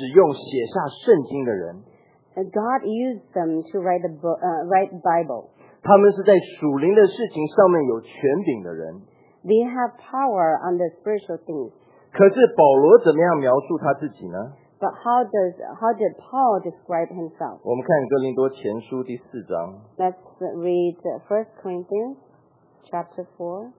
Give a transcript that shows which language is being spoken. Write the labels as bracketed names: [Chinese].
[Chinese] 他们是神使用写下圣经的人。 [English] God used them to write the book, write Bible. [Chinese] 他们是在属灵的事情上面有权柄的人。 [English] They have power on the spiritual things. [Chinese] 可是保罗怎么样描述他自己呢? [English] But how did Paul describe himself? [Chinese] 我们看哥林多前书第四章。 [English] Let's read 1 Corinthians chapter 4.